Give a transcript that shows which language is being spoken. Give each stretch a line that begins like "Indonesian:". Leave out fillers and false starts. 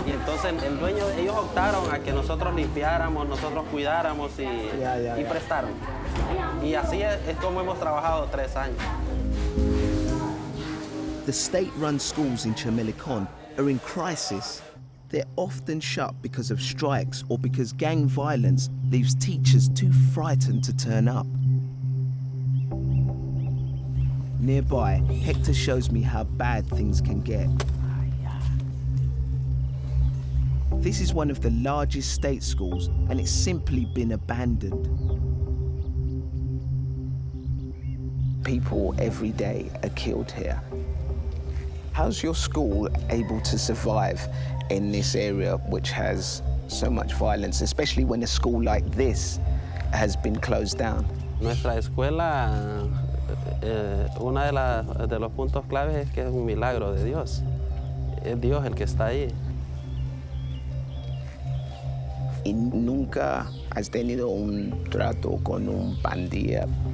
Spanish: Y entonces el dueño, ellos optaron a que nosotros limpiáramos, nosotros cuidáramos y prestaron. Y así es como hemos trabajado tres años.
English: The state-run schools in Chamelecon are in crisis. They're often shut because of strikes or because gang violence leaves teachers too frightened to turn up. Nearby, Hector shows me how bad things can get. This is one of the largest state schools and it's simply been abandoned. People every day are killed here. How's your school able to survive in this area which has so much violence, especially when a school like this has been closed down?
Spanish: Nuestra escuela, una de los puntos claves es que es un milagro de Dios. Es Dios el que está ahí. ¿Y nunca has tenido un trato con un pandilla?